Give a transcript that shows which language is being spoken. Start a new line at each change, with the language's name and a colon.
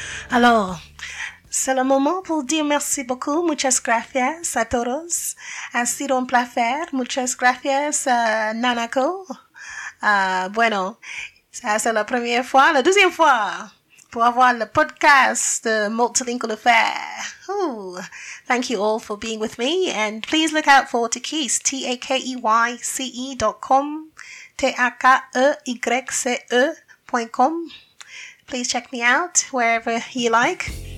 French: Alors, c'est le moment pour dire merci beaucoup,
Spanish: muchas gracias a todos. Ha sido un placer, muchas gracias a Nanaco.
French: Bueno, ça c'est la première fois, la deuxième fois pour avoir le podcast de Multilingual Affair.
English: Ooh, thank you all for being with me, and please look out for Takeyce, TakeyceTakeyce.com, TakeyceTakeyce.com. Please check me out wherever you like.